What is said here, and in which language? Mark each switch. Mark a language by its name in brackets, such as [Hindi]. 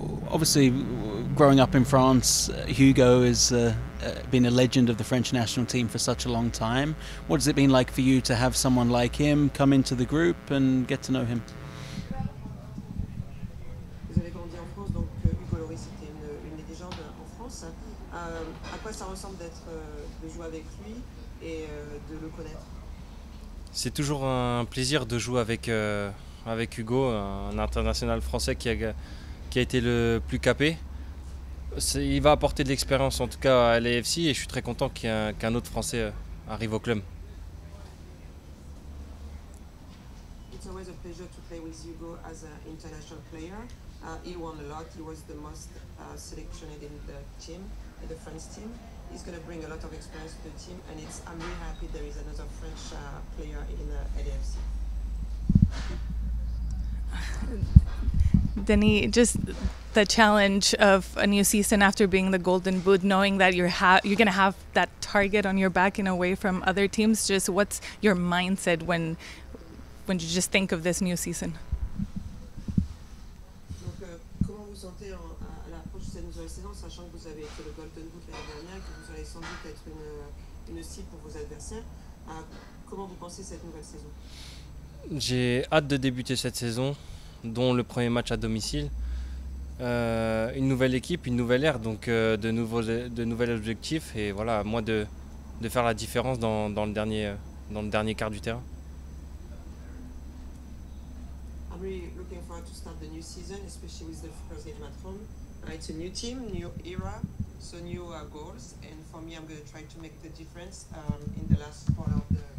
[English] Obviously, growing up in France, Hugo has been a legend of the French national team for such a long time. What has it been like for you to have someone like him come into the group and get to know him? [French] Vous avez grandi en France, donc Hugo Lloris était une des légendes en France. À quoi ça ressemble de jouer avec lui et de le connaître? C'est toujours un plaisir de jouer avec. Avec Hugo, un international français qui a été le plus capé. Il va apporter de l'expérience en tout cas à l'AFC et je suis très content qu'un autre français arrive au club. [English] It's always a pleasure to play with Hugo as an international player. He won a lot, he was the most selectionné in the team, in the French team. He's going to bring a lot of experience to the team and I'm really happy there is another French player in LAFC. Denny, just the challenge of a new season after being the Golden Boot, knowing that you're going to have that target on your back and away from other teams, just what's your mindset when you just think of this new season? [French] Donc, comment vous sentez à la prochaine nouvelle saison, sachant que vous avez été le Golden Boot l'année dernière, que vous allez sans doute être une cible pour vos adversaires, comment vous pensez cette nouvelle saison? J'ai hâte de débuter cette saison, dont le premier match à domicile. Une nouvelle équipe, une nouvelle ère, donc de nouveaux objectifs. Et voilà, à moi de faire la différence dans le dernier quart du terrain. [English] I'm really looking forward to start the new season, especially with the first game at home. It's a new team, new era, so new goals. And for me, I'm going to try to make the difference in the last quarter of the